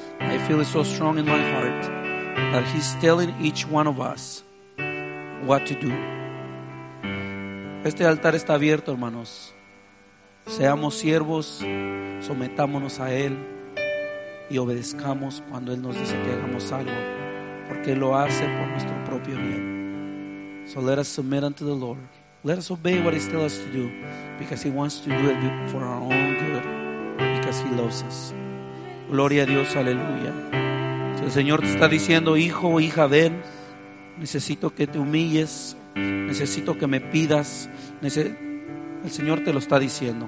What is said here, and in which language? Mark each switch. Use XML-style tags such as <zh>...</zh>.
<en>I feel it so strong in my heart that He's telling each one of us what to do.</en> <es>Este altar está abierto, hermanos. Seamos siervos, sometámonos a Él y obedezcamos cuando Él nos dice que hagamos algo, porque Él lo hace por nuestro propio bien.</es> <en>So let us submit unto the Lord. Let us obey what He tells us to do, because He wants to do it for our own good, because He loves us.</en> <es>Gloria a Dios, aleluya. Si el Señor te está diciendo, hijo o hija, ven, necesito que te humilles, necesito que me pidas, el Señor te lo está diciendo.</es>